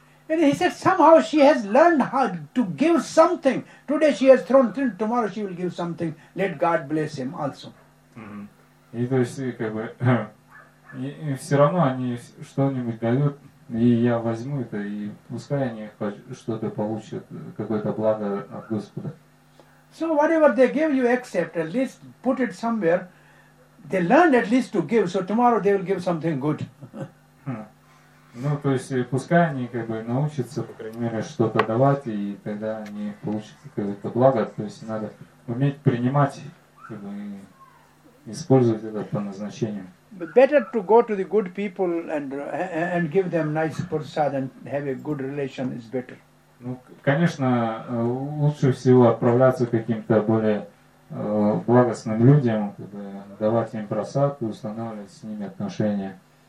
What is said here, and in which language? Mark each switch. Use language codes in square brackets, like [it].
[en] And he said, somehow she has learned how to give something. Today she has thrown, tomorrow she will give something. Let God bless him also. [ru] И то есть, и как бы, и все равно они что-нибудь дают, и я возьму это, и пускай они что-то получат, какое-то благо от Господа. [en] So whatever they give, you accept, at least put it somewhere. They learn at least to give, so tomorrow they will give something good. [ru] Ну, то есть, пускай они как бы научатся, по крайней мере, что-то давать, и тогда они получат какое-то благо. То есть, надо уметь принимать, как бы, и использовать это по назначению. [en] But better to go to the good people and give them nice prasad and have a good relation is better. [ru] Ну, конечно, лучше всего отправляться к каким-то более благостным людям, как бы, давать им прасад и устанавливать с ними отношения.